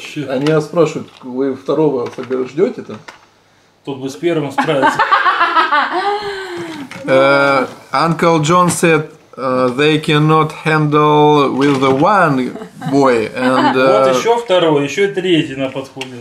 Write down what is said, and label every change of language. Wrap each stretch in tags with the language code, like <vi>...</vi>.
<ru>Они спрашивают, вы второго ждете то? Тут бы с первым справиться.</ru> <en>Uncle John said. They cannot handle with the one boy and</en> <ru>вот еще второй, еще третий на подходе.</ru>